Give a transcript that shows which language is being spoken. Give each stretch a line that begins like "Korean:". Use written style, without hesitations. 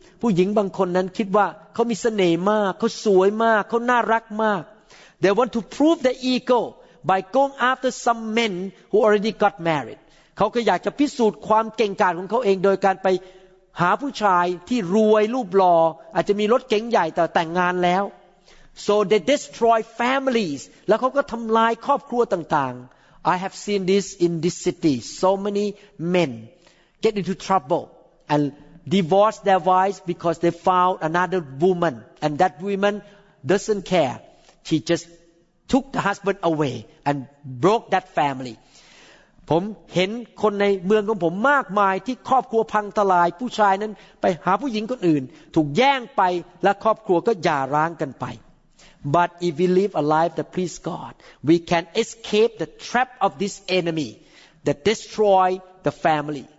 Thai: ผู้หญิงบางคนนั้นคิดว่าเขามีเสน่ห์มากเขาสวยมากเขาน่ารักมาก
English: They want to prove their ego by going after some men who already got married.
Thai: เขาก็อยากจะพิสูจน์ความเก่งกาจของเขาเองโดยการไปหาผู้ชายที่รวยรูปหล่ออาจจะมีรถเก๋งใหญ่แต่แต่งงานแล้ว
English: So they destroy families.
Thai: แล้วเขาก็ทำลายครอบครัวต่างๆ
English: I have seen this in this city. So many men get into trouble and divorce their wives because they found another woman. And that woman doesn't care. She just took the husband away and broke that family.
Thai: ผมเห็นคนในเมืองของผมมากมายที่ครอบครัวพังทลายผู้ชายนั้นไปหาผู้หญิงคนอื่นถูกแย่งไปและครอบครัวก็หย่าร้างกันไป
English: But if we live a life that pleases God, we can escape the trap of this enemy that destroys the family.